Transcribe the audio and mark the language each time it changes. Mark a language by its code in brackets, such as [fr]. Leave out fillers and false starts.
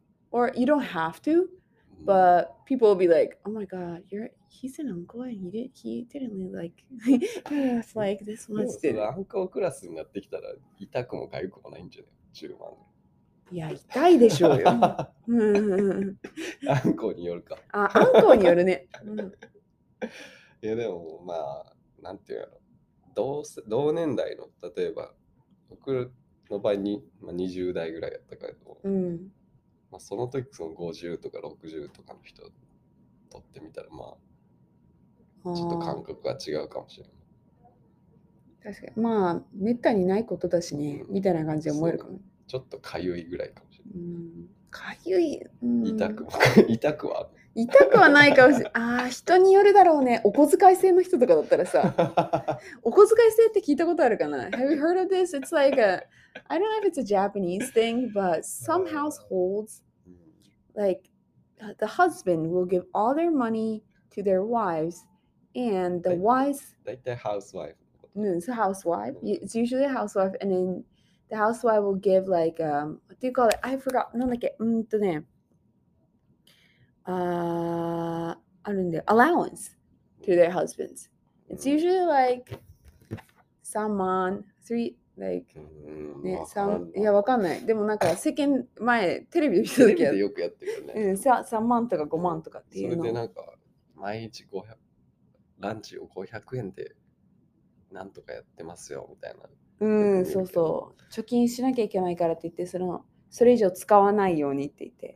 [en] Or you don't have to, but people will be like, oh my god, he's an uncle and he didn't like, it's like this much. [ja] でもそれ、アンコークラスになってきたら痛くもかゆくもないんじゃない ?10 万。いや、痛いでしょうよ。アンコによるか。あ、アンコによるね。いや、でもまあ、なんていうの、同年代の、例えば、僕の場合に、まあ、20代ぐらいやったから。うん。まあ、その時その50とか60とかの人とってみたらまあちょっと感覚が違うかもしれない。確かにまあめったにないことだしね、みたいな感じで思えるかも。ちょっとかゆいぐらいかもしれない。かゆい、痛くは痛くはないかもしれない。ああ人によるだろうね。お小遣い制の人とかだったらさ、お小遣い制って聞いたことあるかな。 [en] Have you heard of this? It's like aI don't know if it's a Japanese thing, but some households, like the husband will give all their money to their wives, and the wives... Like the housewife. No, it's a housewife. It's usually a housewife, and then the housewife will give like, what do you call it? I forgot. Allowance to their husbands. It's usually like 3万, 3... [ja] like、うんね、まあ、いやわかんない。でもなんか世間前テレビで見た時テレビでよくやってるよね。うん、3万とか5万とかっていうの、うん、それでなんか毎日ランチを500円でなんとかやってますよみたいな。うん、そうそう、貯金しなきゃいけないからって言って、それ以上使わないようにって言って、